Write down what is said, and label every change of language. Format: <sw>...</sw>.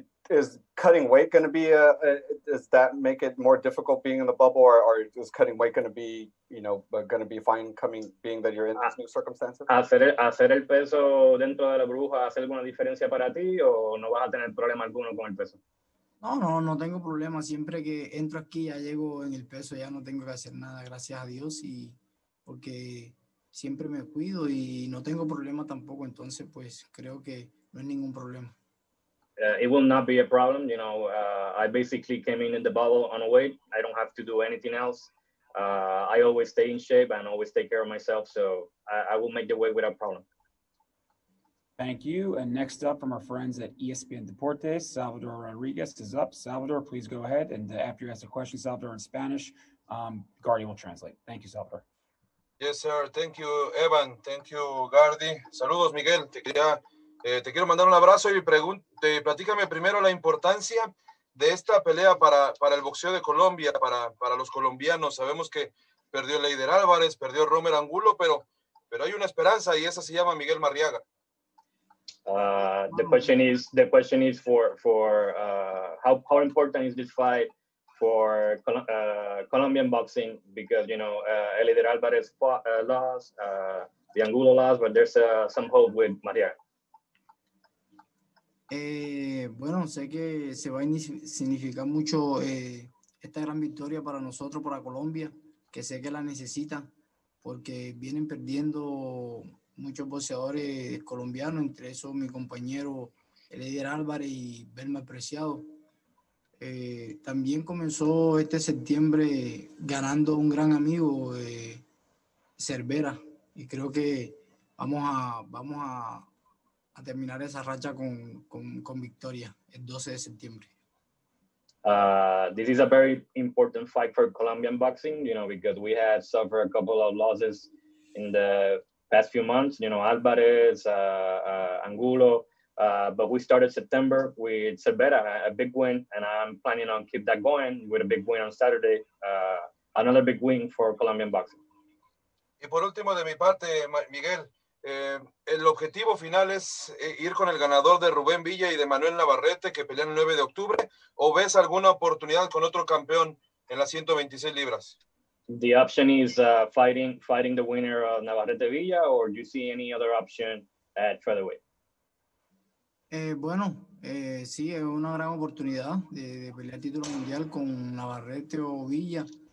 <en>Is cutting weight going to be does that make it more difficult being in the bubble, or is cutting weight going to be, you know, going to be fine coming, being that you're in these new circumstances?</en> <es>Hacer el peso dentro de la burbuja hace alguna diferencia para ti, o no vas a tener problema alguno con el peso? No tengo problema. Siempre que entro aquí, ya llego en el peso, ya no tengo que hacer nada, gracias a Dios, y porque siempre me cuido y no tengo problema tampoco. Entonces, pues creo que no es ningún problema.</es> <en>It will not be a problem. You know, I basically came in the bubble on a weight. I don't have to do anything else. I always stay in shape and always take care of myself. So I will make the weight without problem. Thank you. And next up from our friends at ESPN Deportes, Salvador Rodriguez is up. Salvador, please go ahead. And after you ask a question, Salvador, in Spanish, Guardi will translate. Thank you, Salvador. Yes, sir. Thank you, Evan. Thank you, Guardi.</en> <es>Saludos,</es> <en>Miguel.</en> <es>Te quiero mandar un abrazo y platícame primero la importancia de esta pelea para el boxeo de Colombia, para los colombianos. Sabemos que perdió Leider Álvarez, perdió Romer Angulo, pero hay una esperanza y esa se llama Miguel Marriaga.</es> <en>The question is how important is this fight for Colombian boxing, because you know Leider Álvarez lost, the Angulo lost, but there's some hope with Marriaga.</en> <es>Bueno, sé que se va a significar mucho esta gran victoria para nosotros, para Colombia, que sé que la necesita, porque vienen perdiendo muchos boxeadores colombianos, entre esos mi compañero Eléder Álvarez y Belma Preciado. También comenzó este septiembre ganando un gran amigo, Cervera, y creo que vamos a terminar esa racha con victoria el 12 de septiembre.</es> <en>This is a very important fight for Colombian boxing, you know, because we had suffered a couple of losses in the past few months, you know, Álvarez, Angulo, but we started September with Cervera, a big win, and I'm planning on keep that going with a big win on Saturday, another big win for Colombian boxing.</en> <es>Y por último de mi parte, Miguel, el objetivo final es ir con el ganador de Rubén Villa y de Manuel Navarrete, que pelean el 9 de octubre, ¿o ves alguna oportunidad con otro campeón en las 126 libras?</es> <en>The option is fighting the winner of Navarrete Villa, or do you see any other option at featherweight?</en> <es>Sí, es una gran oportunidad de pelear título mundial con Navarrete o Villa.</es>